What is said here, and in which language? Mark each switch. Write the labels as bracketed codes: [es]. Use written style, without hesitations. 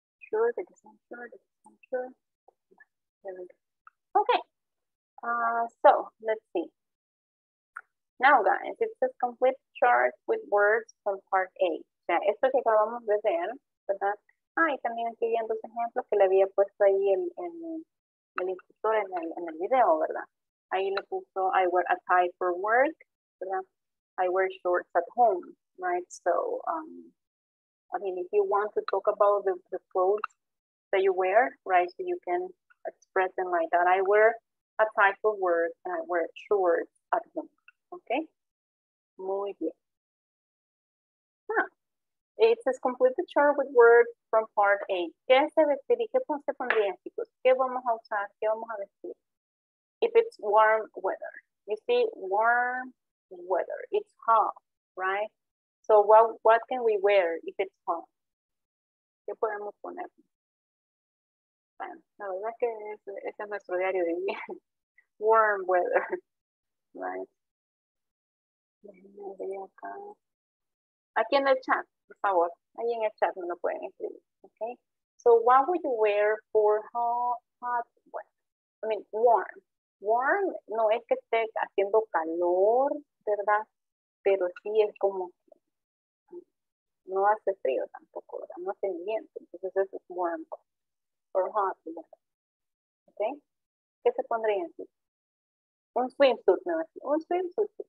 [en] Sure, that is not sure, that is not sure. There we go. Okay. So, let's see. Now, guys, it's a complete chart with words from part A. [es] O sea, esto que acabamos de ver, ¿verdad? Ah, y también aquí viendo dos ejemplos que le había puesto ahí el instructor en el video, ¿verdad? Ahí le puso, [en] I wear a tie for work, ¿verdad? I wear shorts at home, right? So, I mean, if you want to talk about the clothes that you wear, right, so you can express them like that. I wear a tie for work and I wear shorts at home. Okay? [es] Muy bien. [en] Ah, it says complete the chart with words from part A. [es] ¿Qué se vestiría? ¿Qué se pondría, chicos? ¿Qué vamos a usar? ¿Qué vamos a vestir? [en] If it's warm weather. You see, warm weather. It's hot, right? So what can we wear if it's hot? [es] ¿Qué podemos poner? Bueno, la verdad que ese es nuestro diario de invierno. [en] Warm weather, right? [es] Déjenme ver acá. Aquí en el chat, por favor. Ahí en el chat me lo pueden escribir, okay? [en] So what would you wear for hot weather? I mean, warm. [es] Warm no es que esté haciendo calor, ¿verdad? Pero sí es como... No hace frío tampoco, ¿verdad? No hace viento, entonces eso es warm or hot. ¿Okay? ¿Qué se pondría en sí? Un swimsuit, ¿no? Un swimsuit.